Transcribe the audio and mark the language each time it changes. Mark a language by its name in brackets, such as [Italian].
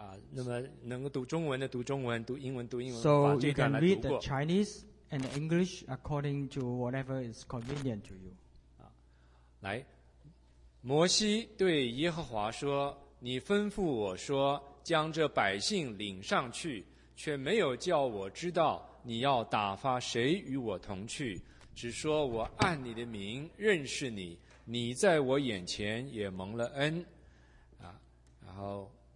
[Chinese] 那么能够读中文的读中文，读英文读英文。 [English] So you can read the Chinese and the English according to whatever is convenient to you. [Chinese] 来，摩西对耶和华说：“你吩咐我说，将这百姓领上去，却没有叫我知道你要打发谁与我同去，只说我按你的名认识你，你在我眼前也蒙了恩。” 然后。